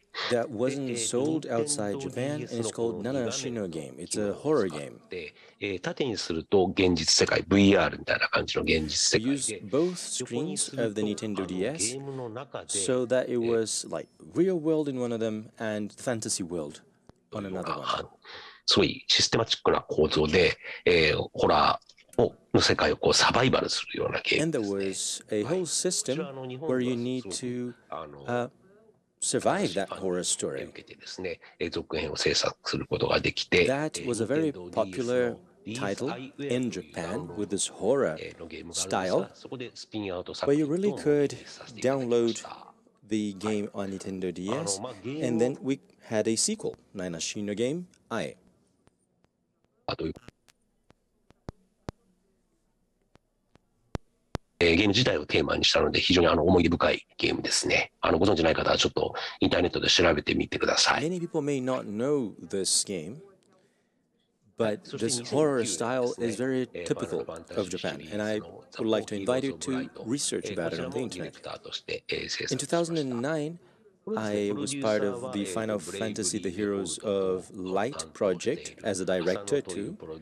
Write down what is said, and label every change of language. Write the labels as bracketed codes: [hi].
[en] That wasn't sold outside Japan, and it's called Nanashi no Game. It's a horror game. We used both screens of the Nintendo DS so that it was like real world in one of them and fantasy world on another one. [ja] すごいシステマチックな構造で、ホラーをの世界をこうサバイバルするようなゲームですね。 [en] And there was a whole system where you need to survive that horror story. [ja] 受けてですね、続編を制作することができて、 [en] That was a very popular title in Japan with this horror style. But you really could download the game on Nintendo DS, and then we had a sequel, Nainashi no game, Ai. [ja] ゲーム自体をテーマにしたので非常に思い出深いゲームですね。ご存知ない方はちょっとインターネットで調べてみてください。 [en] Many people may not know this game, but this horror style is very typical of Japan, and I would like to invite you to research about it on the internet. In 2009, I was part of the Final Fantasy The Heroes of Light project as a director too.